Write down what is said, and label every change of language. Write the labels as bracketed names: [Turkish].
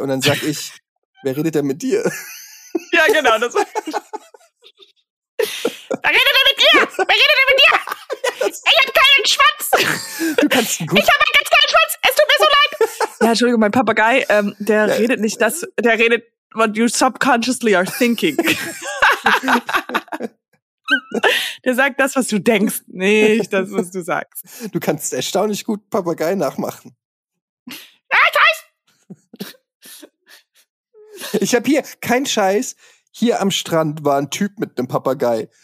[German] Und dann sag ich, wer redet denn mit dir? Ja, genau. Das wer redet denn mit dir? Wer redet denn mit dir? Ich hab keinen Schwanz. Ich hab einen ganz kleinen Schwanz. Es tut mir so leid. Ja, Entschuldigung, mein Papagei, der redet nicht das. Der redet, [English] what you subconsciously are thinking. [German] Der sagt das, was du denkst, nicht das, was du sagst. Du kannst erstaunlich gut Papagei nachmachen. Ich habe hier, kein Scheiß, hier am Strand war ein Typ mit einem Papagei.